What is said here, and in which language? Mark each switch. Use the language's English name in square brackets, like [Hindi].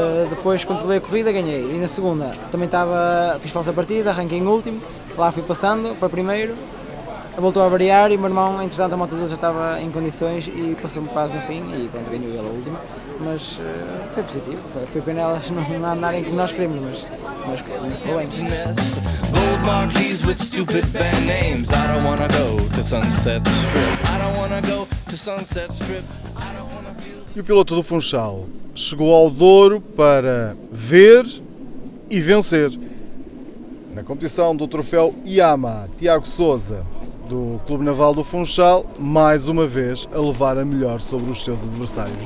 [Portuguese] Depois controlei a corrida, ganhei. E na segunda também fiz falsa partida, arranquei em último, lá fui passando para primeiro. Voltou a variar e o meu irmão, entretanto, a moto dele já estava em condições e passou-me quase no fim e pronto, ganhou ele a última. Mas foi positivo, foi pena elas não andarem como nós queremos, mas foi bem. [English] Gold marquees with stupid band names. I don't wanna go to Sunset Strip. I don't wanna go to Sunset Strip. [Portuguese] E o piloto do Funchal chegou ao Douro para ver e vencer. Na competição do troféu IAMA, Tiago Sousa, do Clube Naval do Funchal, mais uma vez a levar a melhor sobre os seus adversários.